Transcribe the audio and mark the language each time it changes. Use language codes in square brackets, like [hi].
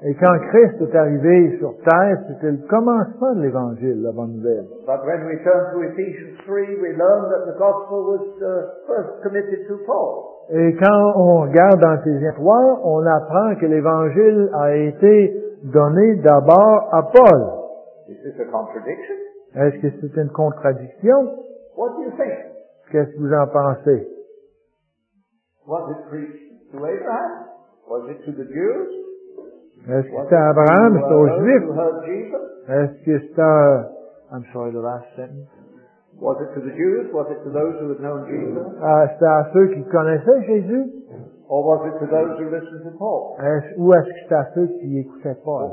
[fr] Et quand Christ est arrivé sur terre, c'était le commencement de l'Évangile, la bonne nouvelle. [en] But when we turn to Ephesians 3, we learn that the gospel was first committed to Paul. [fr] Et quand on regarde dans Ephésiens 3, on apprend que l'Évangile a été donné d'abord à Paul. [en] Is this a contradiction? [fr] Est-ce que c'est une contradiction? [en] What do you think? [fr] Qu'est-ce que vous en pensez? [en] Was it preached to Abraham? Was it to the Jews? [fr] Est-ce que c'était Abraham? C'était aux Juifs? Est-ce que c'était... [en] I'm sorry, the last sentence. Was it to the Jews? Was it to those who had known Jesus? [fr] C'était à ceux qui connaissaient Jésus? [en] Or was it to those who listened to Paul? [fr] Ou est-ce que c'était à ceux qui écoutaient Paul?